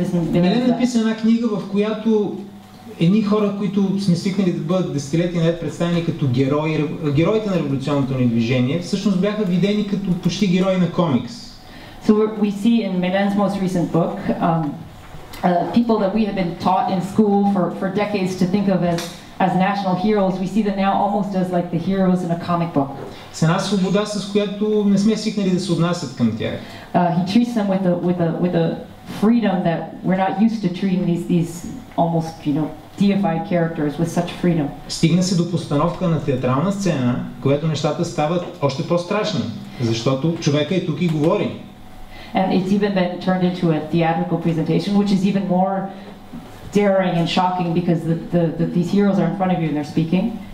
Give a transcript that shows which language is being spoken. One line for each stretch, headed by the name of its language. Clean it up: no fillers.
Bulgarian: Милен написа една книга, в която едни хора, които сме свикнали да бъдат десетилетия наред представени като герои, героите на революционното ни движение, всъщност бяха видени като почти герои на комикс.
English: So we see in Milen's most recent book, people that we have been taught in school for decades to think of as national heroes, we see them now almost as like the heroes in a comic book.
Bulgarian: С една свобода, с която не сме свикнали да се отнасят към тях.
English: He treats them with a freedom that we're not used to treating these almost, you know, deified characters with such freedom.
Bulgarian: Стигна се до постановка на театрална сцена, която нещата стават още по-страшни, защото човека е тук и говори.
English: And it's even been turned into a theatrical presentation, which is even more daring and shocking because these heroes are in front of you and they're speaking.